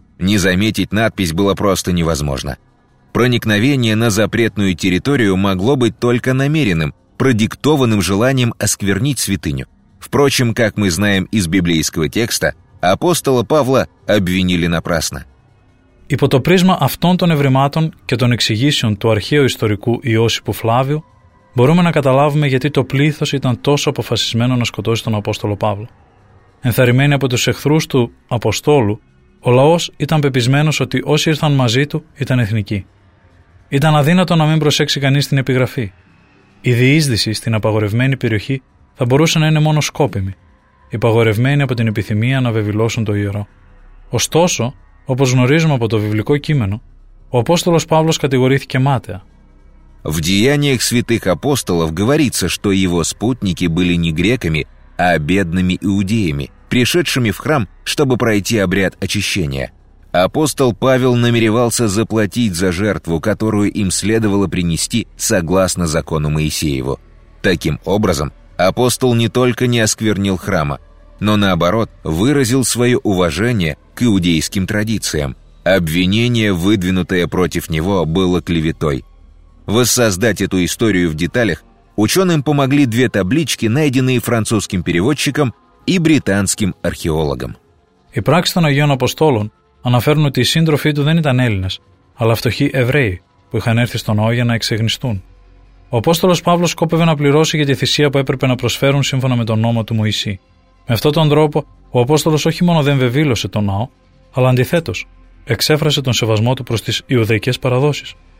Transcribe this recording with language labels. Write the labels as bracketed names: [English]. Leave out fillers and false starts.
[Russian] Не заметить надпись было просто невозможно. Проникновение на запретную территорию могло быть только намеренным, продиктованным желанием осквернить святыню. Впрочем, как мы знаем из библейского текста, апостола Павла обвинили напрасно. [Greek] Υπό το πρίσμα αυτών των ευρημάτων και των εξηγήσεων του αρχαίου ιστορικού Ιώσιπου Φλάβιου, μπορούμε να καταλάβουμε γιατί το πλήθος ήταν τόσο αποφασισμένο να σκοτώσει τον Απόστολο Παύλο. Ενθαρρυμένοι από τους εχθρούς του Αποστόλου, ο λαός ήταν πεπισμένος ότι όσοι ήρθαν μαζί του ήταν εθνικοί. Ήταν αδύνατο να μην προσέξει κανείς την επιγραφή. Η διείσδυση στην απαγορευμένη περιοχή θα μπορούσε να είναι μόνο σκόπιμη, υπαγορευμένη από την επιθυμία να βεβηλώσουν το ιερό. Ωστόσο, όπως γνωρίζουμε από το βιβλικό κείμενο, ο Απόστολος Παύλος κατηγορήθηκε μάταια. [Russian] В деяниях святых апостолов говорится, что его спутники были не греками, а бедными иудеями, пришедшими в храм, чтобы пройти обряд очищения. Апостол Павел намеревался заплатить за жертву, которую им следовало принести согласно закону Моисееву. Таким образом, апостол не только не осквернил храма, но наоборот выразил свое уважение к иудейским традициям. Обвинение, выдвинутое против него, было клеветой. Воссоздать эту историю в деталях ученым помогли две таблички, найденные французским переводчиком и британским археологом. [Greek] Οι πράξεις των Αγίων Αποστόλων αναφέρουν ότι οι σύντροφοί του δεν ήταν Έλληνες, αλλά φτωχοί Εβραίοι που είχαν έρθει στον ναό για να εξεγνιστούν. Ο Απόστολος Παύλος σκόπευε να πληρώσει για τη θυσία που έπρεπε να προσφέρουν σύμφωνα με τον νόμο του Μωυσή. Με αυτόν τον τρόπο, ο Απόστολος όχι μόνο δεν βεβήλωσε τον ναό, αλλά αντιθέτως, εξέφρασε τον σεβασμό του προς τις Ιουδαϊκές παραδόσεις.